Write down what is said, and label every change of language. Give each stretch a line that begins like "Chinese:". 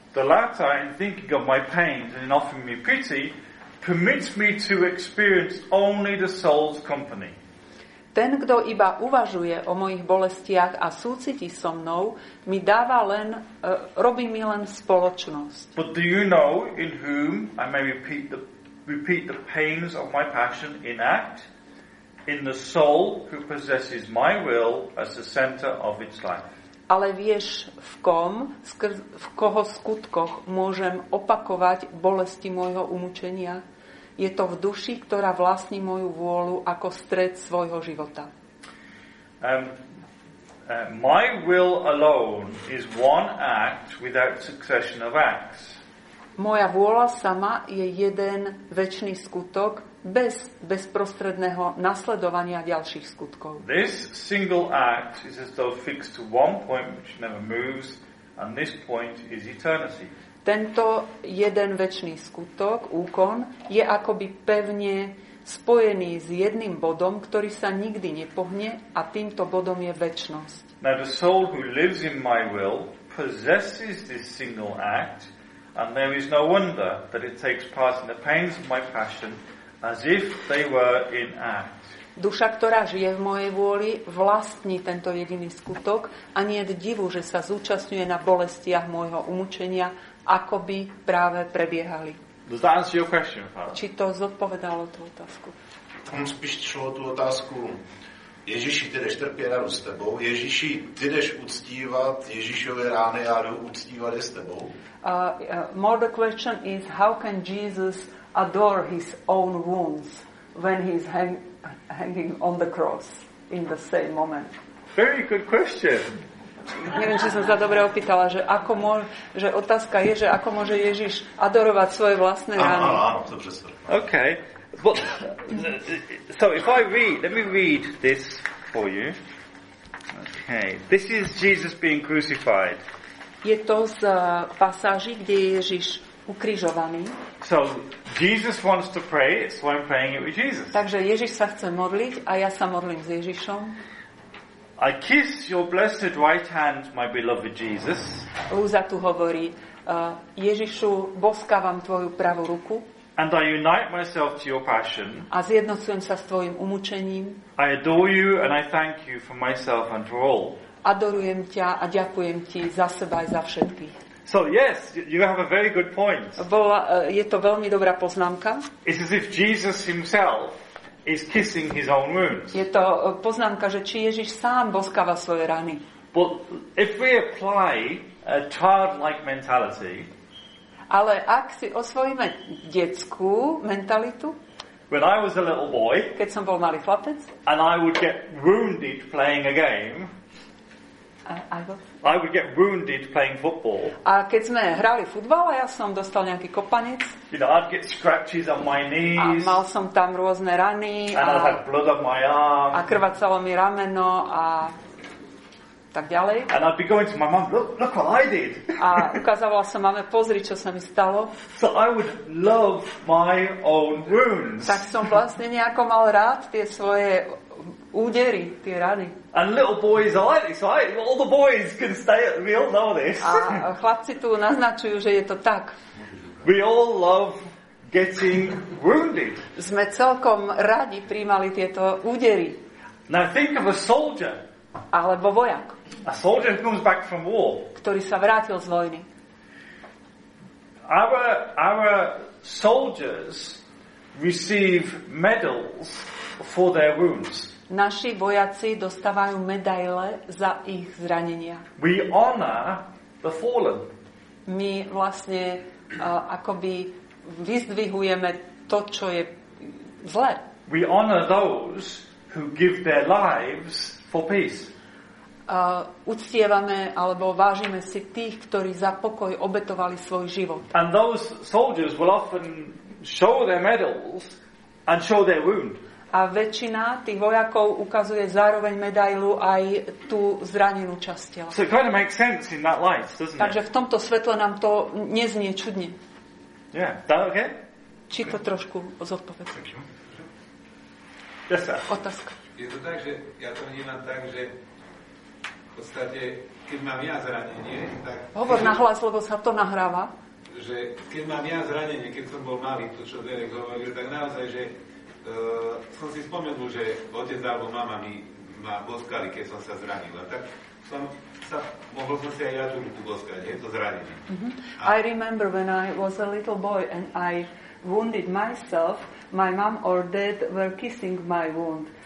English: The latter, in thinking of my pains and in offering me pity, permits me to experience only the soul's company.
Slovak: Ten, kto iba uvažuje o mojich bolestiach a súciti so mnou, mi dáva len, robí mi len spoločnosť.
English: But do you know in whom I may repeat the pains of my passion in act? In the soul who possesses my will as the center of its life.
Slovak: Ale vieš, v koho skutkoch môžem opakovať bolesti môjho umučenia? Je to v duši, ktorá vlastní moju vôľu ako stred svojho života.
English: My will alone is one act without succession of acts.
Slovak: Moja vôľa sama je jeden večný skutok bez bezprostredného nasledovania ďalších skutkov.
English: This single act is as though fixed to one point which never moves, and this point is eternity.
Slovak: Tento jeden večný skutok, úkon, je akoby pevne spojený s jedným bodom, ktorý sa nikdy nepohne, a týmto bodom je večnosť.
English: Now the soul who lives in my will possesses this single act, and there is no wonder that it takes part in the pains of my passion as if they were in act.
Slovak: Duša, ktorá žije v mojej vôli, vlastní tento jediný skutok a nie je divu, že sa zúčastňuje na bolestiach môjho umučenia, ako by práve prebiehali.
English: Does that answer your question, Father?
Slovak: Či to zodpovedalo tú otázku?
Czech: On spíš šlo tu otázku, Ježíši, ty jdeš trpět, já jdu s tebou. Ježíši, ty jdeš uctívat Ježíšové rány, já jdu uctívat je s tebou.
English: More the question is, how can Jesus adore his own wounds when he's hanging on the cross in the same moment? Very good question.
Slovak: Neviem, či som sa dobre opýtala, že ako že otázka je, že ako môže Ježiš adorovať svoje vlastné rány. Áno, áno, to presne.
English: Okay. But, so if I read, let me read this for you. Okay. This is Jesus being crucified.
Slovak: Je to z pasáži, kde je Ježiš ukrižovaný.
English: So Jesus wants to pray, so I'm praying it with Jesus.
Slovak: Takže Ježiš sa chce modliť a ja sa modlím s Ježišom.
English: I kiss your blessed right hand, my beloved Jesus.
Slovak: Lúza tu hovorí, Ježišu, boskávam tvoju pravú ruku.
English: And I unite myself to your passion.
Slovak: A zjednocujem sa s tvojim umučením.
English: I adore you and I thank you for myself and for all.
Slovak: Adorujem ťa a ďakujem ti za seba aj za všetkých.
English: So yes, you have a very good point.
Slovak: Je to veľmi dobrá poznámka.
English: It's as if Jesus himself is kissing his own wounds.
Slovak: Je to poznámka, že či Ježiš sám boskáva svoje rany.
English: But if we apply a childlike mentality,
Slovak: ale ak si osvojíme detskú mentalitu,
English: when I was a little boy,
Slovak: keď som bol malý chlapec,
English: and I would get wounded playing a game, I would get wounded playing football.
Slovak: A keď sme hrali futbol a ja som dostal nejaký kopanec.
English: You know, I'd get scratches on my knees.
Slovak: A mal som tam rôzne rany.
English: And I'd have blood on my arm.
Slovak: A krvácalo mi rameno a tak ďalej.
English: And I'd be going to my mom, look what I did.
Slovak: A ukazovala som mame, pozri, čo sa mi stalo.
English: So I would love my own wounds.
Slovak: Tak som vlastne nejako mal rád tie svoje údery, tie rany.
English: And little boys are like this, right? All the boys can stay at, we all know this.
Slovak: A chlapci tu naznačujú, že je to tak.
English: We all love getting wounded.
Slovak: Sme celkom radi prijímali tieto údery.
English: Now think of a soldier.
Slovak: Alebo vojak.
English: A soldier comes back from war.
Slovak: Ktorý sa vrátil z vojny.
English: Our soldiers receive medals for their wounds.
Slovak: Naši vojaci dostávajú medaile za ich zranenia.
English: We honor the fallen.
Slovak: My vlastne akoby vyzdvihujeme to, čo je zlé.
English: We honor those who give their lives for peace.
Slovak: Uctievame alebo vážime si tých, ktorí za pokoj obetovali svoj život.
English: And those soldiers will often show their medals and show their wound.
Slovak: A väčšina tých vojakov ukazuje zároveň medailu aj tú zranenú časť tela.
English: So it kind of makes sense in that light, doesn't it?
Slovak: Takže v tomto svetle nám to neznie čudne.
English: Yeah, that okay?
Slovak: Či to trošku zodpoveď.
English: Yes, sir.
Slovak: Otázka. Je to tak, že ja to vnímam tak, že v podstate, keď mám ja zranenie, tak... Hovor nahlas, lebo sa to nahráva. Že keď mám ja zranenie, keď som bol malý, to čo Derek hovoril, tak naozaj, že som si spomenul, že otec alebo mama mi ma boskali, keď som sa zranil. A tak som sa, mohol som si aj ja tú ruku boskať, je to zranenie. Mm-hmm.
English: I remember when I was a little boy and I wounded myself, my mom or dad were kissing my wound.